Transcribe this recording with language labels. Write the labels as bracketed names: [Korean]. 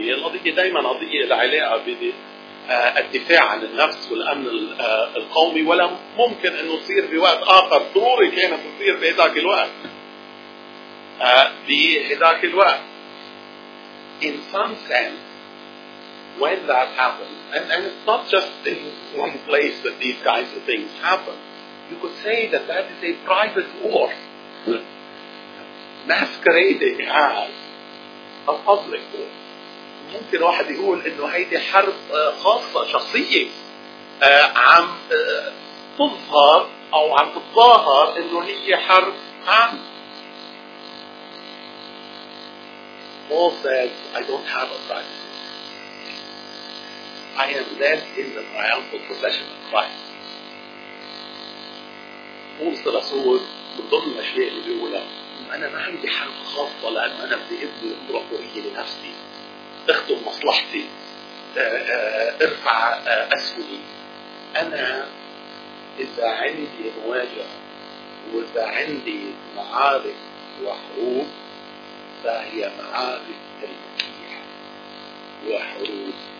[Arabic] القضية دايما قضية العلاقة بالدفاع عن النفس والأمن القومي، ولا ممكن أنه تصير بوقت آخر. ضروري كانت تصير بهذاك الوقت بهذاك الوقت. [English] In some sense when that happens, and it's not just in one place that these kinds of things happen, you could say that that is a private war masquerading as a public war. [Arabic] ممكن واحد يقول انه هيدي حرب خاصة شخصية عم تظهر او عم تتظاهر انه هي حرب عام. [English] Paul says, I don't have a private war. I am led in the triumphal procession of Christ. [Arabic] بولس الرسول من ضمن الاشياء اللي بيقولها أنا ما عندي حرب خاصة لأن أنا بدي أبني إمبراطورية لنفسي، أخدم مصلحتي، أرفع أسهلي. أنا إذا عندي مواجهة وإذا عندي معارك وحروب فهي معارك تاريخية وحروب.